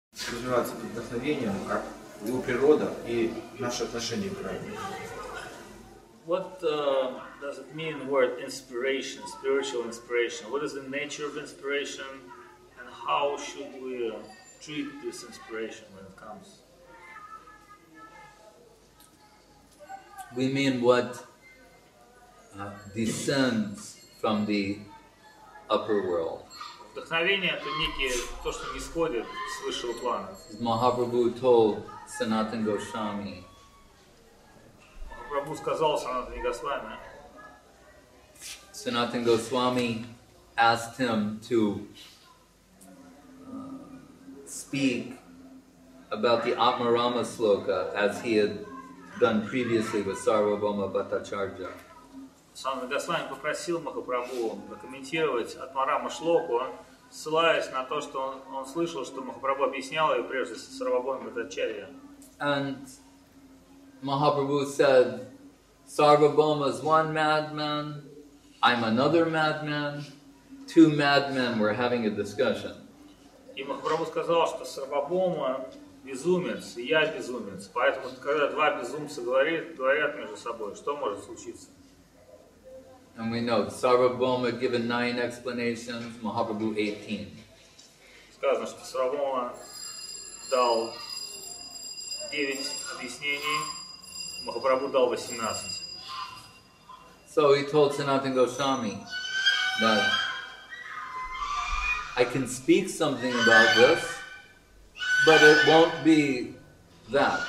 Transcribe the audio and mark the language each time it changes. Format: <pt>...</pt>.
<ru>развиваться под вдохновением, как его природа и наши отношения к Райне.</ru> <en>What does it mean, word inspiration, spiritual inspiration? What is the nature of inspiration, and how should we treat this inspiration when it comes? We mean what descends from the upper world.</en> <ru>Вдохновение — это некие то, что нисходит с высшего плана.</ru> <en>As Mahaprabhu told Sanatana Goswami.</en> <ru>Mahaprabhu сказал Санатане Госвами.</ru> <en>Sanatana Goswami asked him to speak about the Atmarama sloka as he had done previously with Sarvabhauma Bhattacharya.</en> <ru>Sanatana Goswami попросил Махапрабху прокомментировать Атмарама шлоку, ссылаясь на то, что он слышал, что Махапрабху объяснял ее прежде с Сарвабхаумой Бхаттачарьей.</ru> <en>And Mahaprabhu said, Sarvabhauma is one madman, I'm another madman, two madmen were having a discussion.</en> <ru>И Махапрабху сказал, что Сарвабхаума безумец, и я безумец. Поэтому, когда два безумца говорят между собой, что может случиться?</ru> <en>And we know Sarvabhauma had given 9 explanations, Mahaprabhu 18.</en> <ru>Сказано, что Сарвабхаума дал 9 объяснений, Махапрабху дал 18.</ru> <en>So he told Sanatana Goswami that I can speak something about this, but it won't be that.</en>